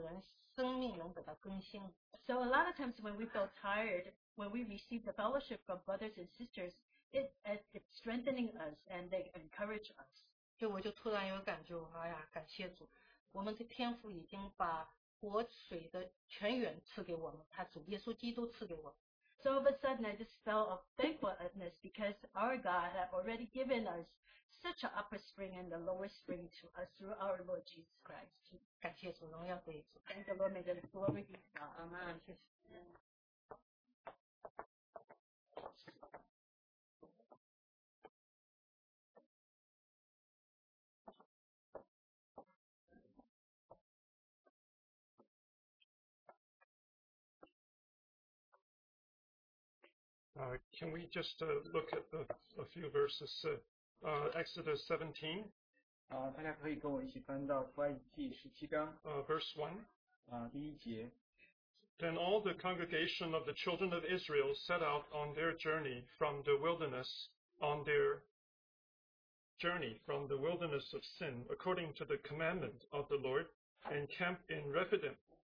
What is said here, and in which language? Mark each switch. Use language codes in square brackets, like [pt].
[zh] 因为很多时候我们人在疲惫的时候，弟兄姊妹交通啊，能得到鼓励，也就是说我们人生命能得到更新。 [en] So a lot of times when we feel tired, when we receive the fellowship from brothers and sisters, it's strengthening us and they encourage us. [zh] 就我就突然有感觉，哎呀，感谢主，我们的天父已经把活水的泉源赐给我们，他主耶稣基督赐给我们。 [en] So all of a sudden, I just felt of thankfulness because our God had already given us such an upper spring and a lower spring to us through our Lord Jesus Christ. Thank you, Lord. May the Lord be with you. Amen. Can we just look at a few verses? Exodus 17. [zh] 大家可以跟我一起翻到出埃及记17章。 [en] Verse 1. [zh] 第一节. [en] Then all the congregation of the children of Israel set out on their journey from the wilderness of Sin, according to the commandment of the Lord, and camped in Rephidim.